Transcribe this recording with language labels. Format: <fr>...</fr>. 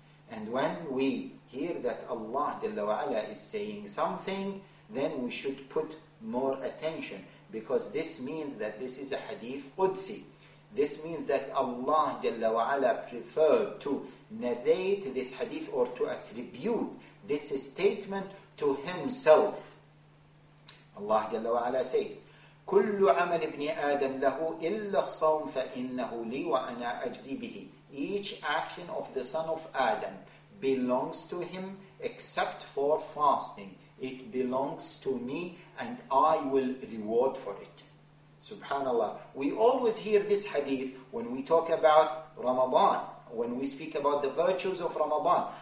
<en>And when we hear that Allah Jalla wa Ala is saying something, then we should put more attention, because this means that this is a hadith Qudsi. This means that Allah Jalla wa Ala preferred to narrate this hadith or to attribute this statement to himself.</en> <ar>Allah Jalla wa Ala says, كُلُّ عَمَلِ ابْنِ آدَمْ لَهُ إِلَّا الصَّوْمِ فَإِنَّهُ لِي وَأَنَا أَجْزِي بِهِ.</ar> <en>Each action of the son of Adam belongs to him except for fasting. It belongs to me and I will reward for it. Subhanallah. We always hear this hadith when we talk about Ramadan, when we speak about the virtues of Ramadan.</en>